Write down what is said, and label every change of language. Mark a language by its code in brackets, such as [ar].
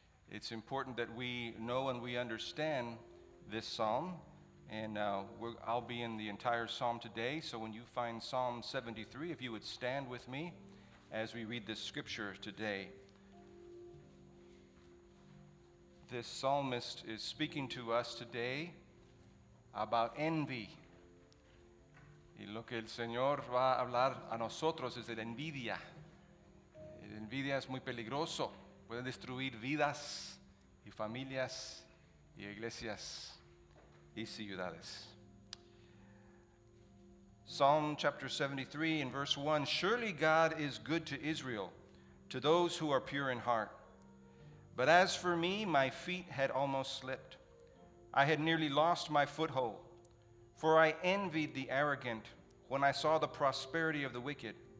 [en] It's important that we know and we understand this psalm, and I'll be in the entire psalm today. So when you find Psalm 73, if you would stand with me as we read this scripture today. This psalmist is speaking to us today about envy. [es] Y lo que el Señor va a hablar a nosotros es de la envidia. La envidia es muy peligroso. Puede destruir vidas y familias y iglesias y ciudades. [en] Psalm chapter 73 in verse 1. Surely God is good to Israel, to those who are pure in heart. But as for me, my feet had almost slipped. I had nearly lost my foothold, for I envied the arrogant when I saw the prosperity of the wicked.